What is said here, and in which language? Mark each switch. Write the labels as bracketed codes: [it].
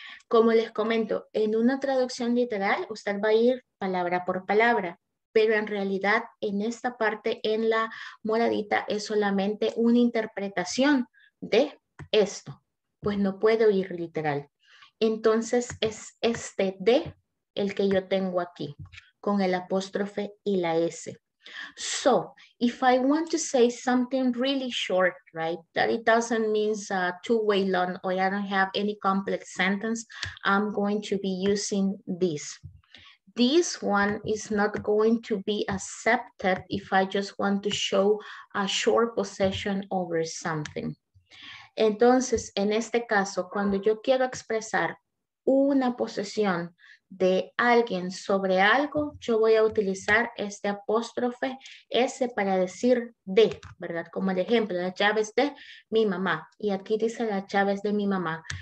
[es] Como les comento, en una traducción literal usted va a ir palabra por palabra, pero en realidad en esta parte en la moradita es solamente una interpretación de esto, pues no puedo ir literal. Entonces es este de el que yo tengo aquí con el apóstrofe y la S. [en] So, if I want to say something really short, right, that it doesn't mean two-way long or I don't have any complex sentence, I'm going to be using this. This one is not going to be accepted if I just want to show a short possession over something. [es] Entonces, en este caso, cuando yo quiero expresar una posesión de alguien sobre algo, yo voy a utilizar este apóstrofe S para decir de, ¿verdad? Como el ejemplo, las llaves de mi mamá. Y aquí dice las llaves de mi mamá.